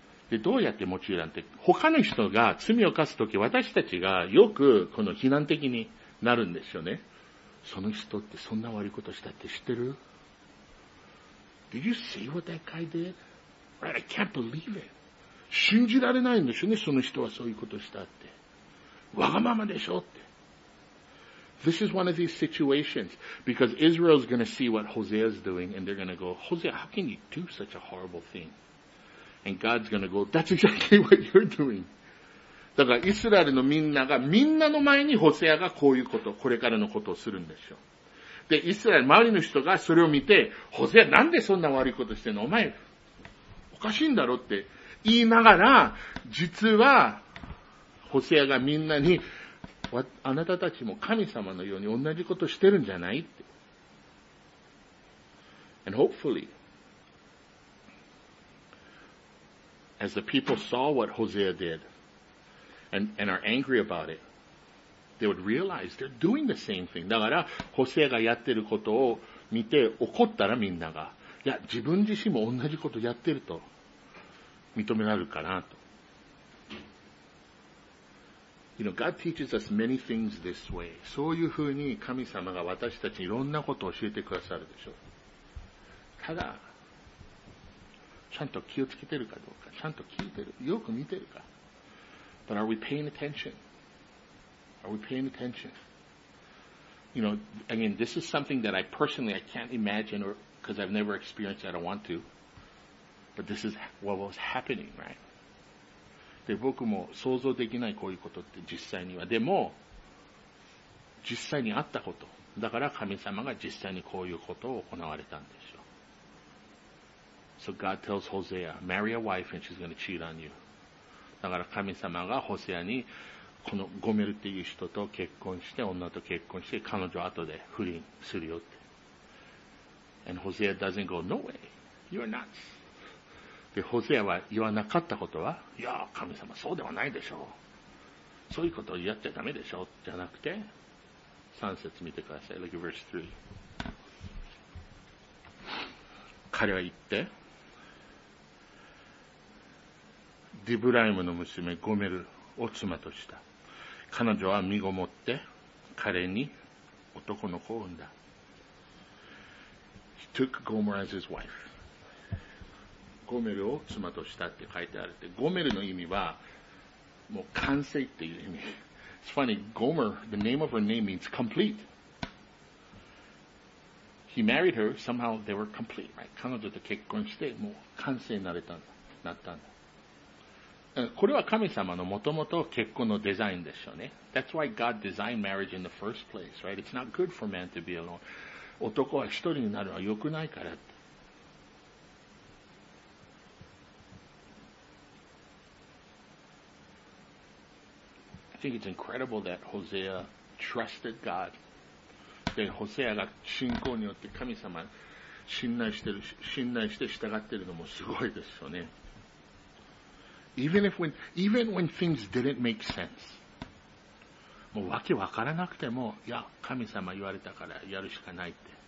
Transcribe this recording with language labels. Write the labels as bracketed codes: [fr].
[ja] で、どうやって用いるなんて、他の人が罪を犯すとき、私たちがよくこの非難的になるんですよね。その人ってそんな悪いことしたって知ってる？ [en] Did you see what that guy did? Right, I can't believe it. [ja] 信じられないんですよね、その人はそういうことしたって。わがままでしょって。 [en] This is one of these situations, because Israel is going to see what Hosea is doing, and they're going to go, Hosea, how can you do such a horrible thing? And God's going to go, that's exactly what you're doing. [ja] だから、イスラエルのみんなが、みんなの前にホセアがこういうこと、これからのことをするんでしょう。で、イスラエル、周りの人がそれを見て、ホセア、なんでそんな悪いことしてんの？お前、おかしいんだろって言いながら、実は、ホセアがみんなに、あなたたちも神様のように同じことしてるんじゃないって。 [en] And hopefully, as the people saw what Hosea did and are angry about it, they would realize they're doing the same thing. [ja] だから、ホセアがやってることを見て怒ったらみんなが、いや、自分自身も同じことやってると認められるかなと。 [en] You know, God teaches us many things this way. [ja] そういうふうに神様が私たちにいろんなことを教えてくださるでしょう。ただ、ちゃんと気をつけてるかどうか、ちゃんと聞いてる、よく見てるか。 [en] But are we paying attention? Are we paying attention? You know, again, this is something that I personally, I can't imagine or, because I've never experienced, I don't want to. But this is what was happening, right? [ja] で、僕も想像できないこういうことって実際には。でも、実際にあったこと。だから神様が実際にこういうことを行われたんでしょう。 [en] So God tells Hosea, marry a wife and she's going to cheat on you. [ja] だから神様がホセアに、このゴメルっていう人と結婚して、女と結婚して、彼女は後で不倫するよって。 [en] And Hosea doesn't go, no way, you're nuts. [ja] で、ホセアは言わなかったことは、いや、神様、そうではないでしょう。そういうことをやっちゃダメでしょう。じゃなくて、3節見てください。 [en] Look at verse 3. [ja] 彼は言って、ディブライムの娘、ゴメルを妻とした。彼女は身ごもって、彼に男の子を産んだ。 [en] He took Gomer as his wife. [ja] ゴメルを妻としたって書いてあるって。ゴメルの意味は、もう完成っていう意味。 [en] It's funny, Gomer, the name of her name means complete. He married her, somehow they were complete, right? [ja] 彼女と結婚して、もう完成になれたんだ。なったんだ。これは神様のもともと結婚のデザインでしょうね。 [en] That's why God designed marriage in the first place, right? It's not good for man to be alone. [ja] 男は一人になるのは良くないからって。 [en] I think it's incredible that Hosea trusted God. [ja] で、ホセアが信仰によって神様に信頼して従っているのもすごいですよね。 [en] Even when things didn't make sense, [ja] もう訳わからなくても、いや、神様言われたからやるしかないって。